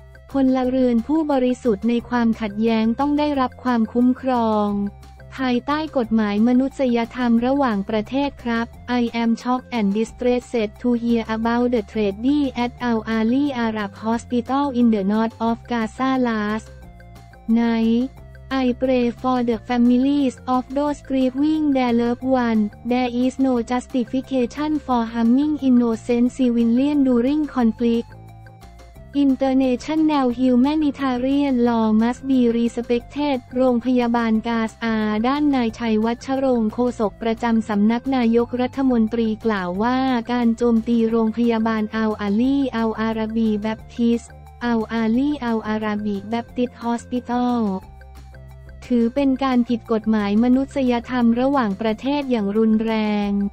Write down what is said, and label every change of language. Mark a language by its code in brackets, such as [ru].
[th] พลเรือนผู้บริสุทธิ์ในความขัดแย้งต้องได้รับความคุ้มครองภายใต้กฎหมายมนุษยธรรมระหว่างประเทศครับ [en] I am shocked and distressed to hear about the tragedy at Al Ali Arab Hospital in the north of Gaza last night. I pray for the families of those grieving their loved ones. There is no justification for harming innocent civilians during conflict. International humanitarian law must be respected [th] โรงพยาบาลกาซาด้านนายชัยวัชรงค์โฆษกประจำสำนักนายกรัฐมนตรีกล่าวว่าการโจมตีโรงพยาบาลอัลอาลีอัลอาราบีแบปทิสอัลอาลีอัลอาราบีแบปทิสฮอสปิตอลถือเป็นการผิดกฎหมายมนุษยธรรมระหว่างประเทศอย่างรุนแรง